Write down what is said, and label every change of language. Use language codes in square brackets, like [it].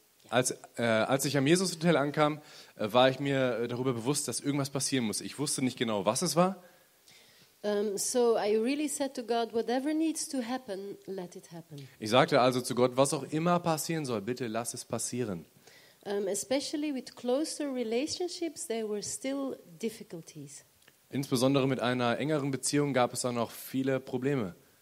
[de] Als ich am Jesus-Hotel ankam, war ich mir darüber bewusst, dass irgendwas passieren muss. Ich wusste nicht genau, was es war. [en] So I really said to God, whatever needs to happen, let it happen. [de] Ich sagte also zu Gott, was auch immer passieren soll, bitte lass es passieren. [en] Especially with closer relationships, there were still difficulties. [de] Insbesondere mit einer engeren Beziehung gab es dann noch viele Probleme.